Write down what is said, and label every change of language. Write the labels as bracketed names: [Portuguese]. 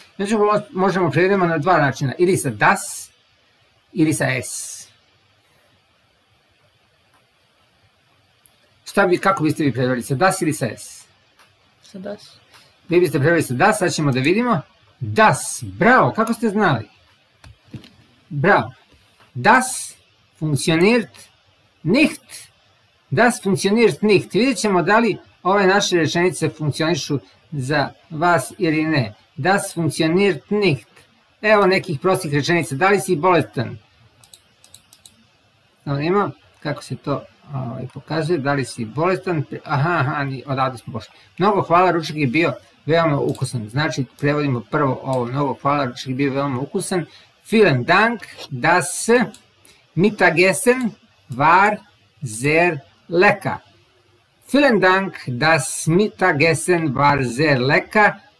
[Serbian] Znači, možemo prevedemo na dva načina, ili sa das, ili sa es. Kako biste vi prevedeli, sa das ili sa es? Sa das. Vi biste prevedeli sa das, sad ćemo da vidimo. Das, bravo, kako ste znali? Bravo. [German] Das funkcioniert nicht. Das funkcioniert nicht. [Serbian] Vidjet ćemo da li ove naše rečenice funkcionišu za vas ili ne. [German] Das funktioniert nicht. [Serbian] Evo nekih prostih rečenica. Da li si bolestan? Evo ima kako se to pokazuje. Da li si bolestan? Aha, odavde smo pošli. Mnogo hvala, ručak je bio veoma ukusan. Znači, prevodimo prvo ovo. Mnogo hvala, ručak je bio veoma ukusan. [German] Vielen Dank, das Mittagessen war sehr lecker. Vielen Dank, das Mittagessen war sehr lecker.